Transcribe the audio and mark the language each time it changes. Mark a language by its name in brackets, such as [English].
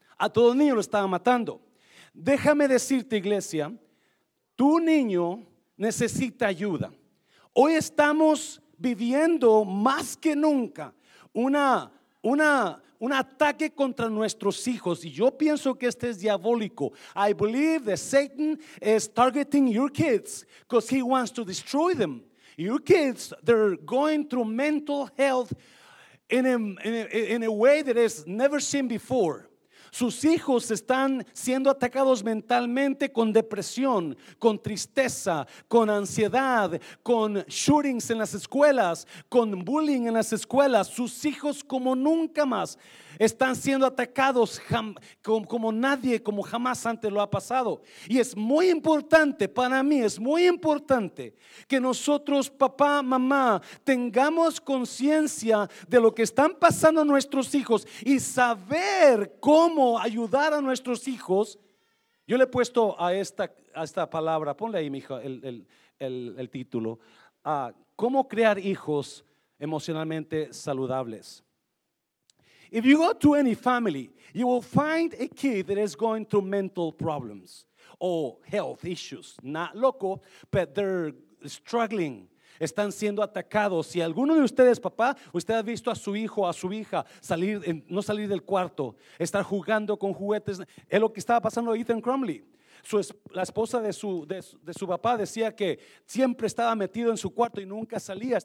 [Spanish] A todo niño lo estaba matando. Déjame decirte, iglesia, tu niño necesita ayuda. Hoy estamos viviendo más que nunca un ataque contra nuestros hijos. Y yo pienso que este es diabólico. [English] I believe that Satan is targeting your kids because he wants to destroy them. Your kids, they're going through mental health in a way that has never seen before. [Spanish] Sus hijos están siendo atacados mentalmente con depresión, con tristeza, con ansiedad, con shootings en las escuelas, con bullying en las escuelas. Sus hijos como nunca más están siendo atacados como nadie, como jamás antes lo ha pasado. Y es muy importante, para mí es muy importante que nosotros, papá, mamá, tengamos conciencia de lo que están pasando nuestros hijos y saber cómo ayudar a nuestros hijos. Yo le he puesto a esta palabra, ponle ahí, mija, el título, cómo crear hijos emocionalmente saludables. [English] If you go to any family, you will find a kid that is going through mental problems or health issues. Not loco, but they're struggling. [Spanish] Están siendo atacados. Si alguno de ustedes, papá, usted ha visto a su hijo, a su hija, no salir del cuarto, estar jugando con juguetes. Es lo que estaba pasando a Ethan Crumley. La esposa de su papá decía que siempre estaba metido en su cuarto y nunca salía.